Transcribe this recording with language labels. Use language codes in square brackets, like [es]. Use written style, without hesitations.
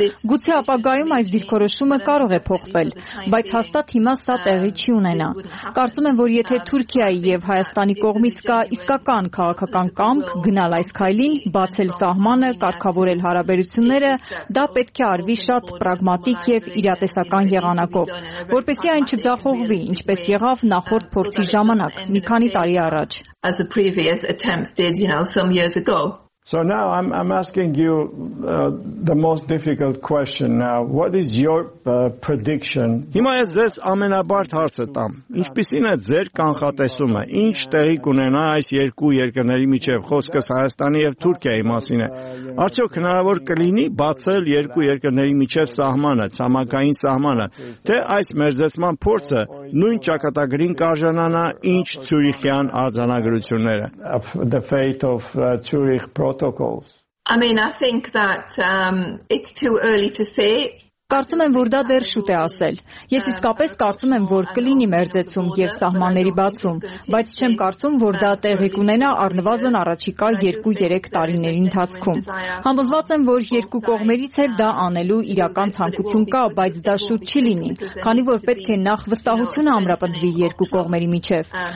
[hy] Գուցե ապագայում այս դիրքորոշումը կարող է փոխվել, բայց հաստատ հիմա սա տեղի չի ունենա։ Կարծում եմ, որ եթե Թուրքիայի եւ Հայաստանի կողմից կա իսկական քաղաքական կամք գնալ այս քայլին, բացել սահմանը, կարգավորել հարաբերությունները, դա պետք է արվի շատ պրագմատիկ եւ իրատեսական եղանակով, որպեսզի այն չձախողվի, ինչպես եղավ նախորդ փորձի ժամանակ, մի քանի տարի առաջ։ [en] As the previous attempts did, you know, some years ago. So now I'm asking you the most difficult question now. What is your prediction? [hy] Հիմա ես ձեզ ամենաբարդ հարցը տամ։ Ինչպիսին է ձեր կանխատեսումը, ինչ տեղի կունենա այս երկու երկրների միջև, խոսքը Հայաստանի եւ Թուրքիայի մասին է։ Արդյոք հնարավոր կլինի բացել երկու երկրների միջև սահմանը, ցամաքային սահմանը, թե այս մերձեցման փորձը նույն ճակատագրին կարժանանա, ինչ Ցյուրիխյան արձանագրությունները։ [en] The fate of Zurich protocols. I mean, I think that it's too early to say. [hy] Կարծում եմ, որ դա դեռ շուտ է ասել։ Ես իսկապես կարծում եմ, որ կլինի մերձեցում եւ սահմանների բացում, բայց չեմ կարծում, որ դա տեղի կունենա առնվազն առաջիկա 2-3 տարիների ընթացքում։ Համոզված եմ, որ երկու կողմերից էլ դա անելու իրական ցանկություն կա, բայց դա շուտ չի լինի, քանի որ պետք է նախ վստահությունը ամրապնդվի երկու կողմերի միջև։